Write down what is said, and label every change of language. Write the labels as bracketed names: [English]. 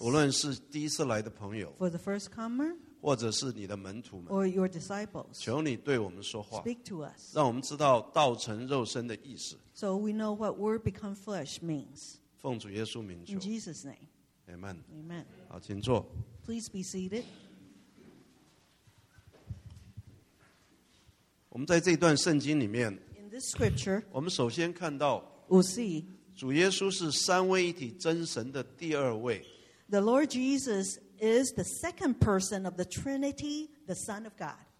[Chinese] 无论是第一次来的朋友, [English] For the first comer, [Chinese] 或者是你的门徒们, [English] Or your disciples. [Chinese] 求你对我们说话。 [English] Speak to us. [Chinese] 让我们知道道成肉身的意思。 [English] So we know what word become flesh means. [Chinese] 奉主耶稣名求。 [English] In Jesus' name. Amen. Amen. [Chinese] 好,请坐。 [English] Please be seated. [Chinese] 我们在这段圣经里面, [English] In this scripture, [Chinese] 我们首先看到, [English] We'll see, [Chinese] 主耶稣是三位一体真神的第二位。 [English] The Lord Jesus is the second person of the Trinity, the Son of God.